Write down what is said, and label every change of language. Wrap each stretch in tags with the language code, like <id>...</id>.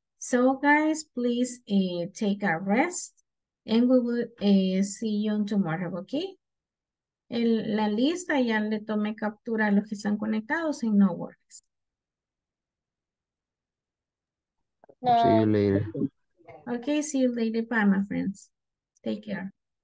<en>So, guys, please take a rest and we will see you tomorrow, okay?</en> <es>La lista ya le tomé captura a los que están conectados y</es> <en>no worries. See you later. Okay, see you later. Bye, my friends. Take care.</en>